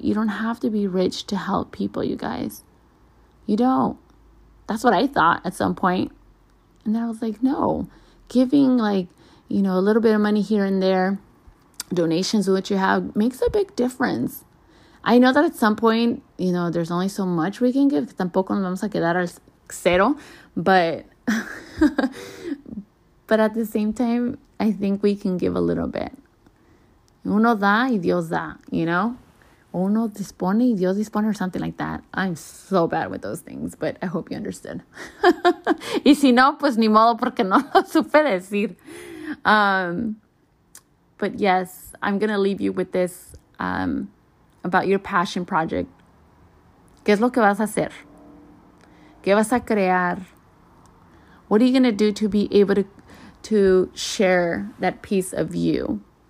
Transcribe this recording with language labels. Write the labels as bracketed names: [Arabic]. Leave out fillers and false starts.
[English] You don't have to be rich to help people, you guys. You don't. That's what I thought at some point. And then I was like, no, giving a little bit of money here and there, donations of what you have, makes a big difference. I know that at some point, there's only so much we can give. [Spanish] Tampoco nos vamos a quedar al cero. [English] But at the same time, I think we can give a little bit. [Spanish] Uno da y Dios da, Uno dispone y Dios dispone, [English] or something like that. I'm so bad with those things, but I hope you understood. [Spanish] Y si no, pues ni modo, porque no lo supe decir. [English] But yes, I'm going to leave you with this about your passion project. [Spanish] ¿Qué es lo que vas a hacer? ¿Qué vas a crear? [English] What are you going to do to be able to share that piece of you?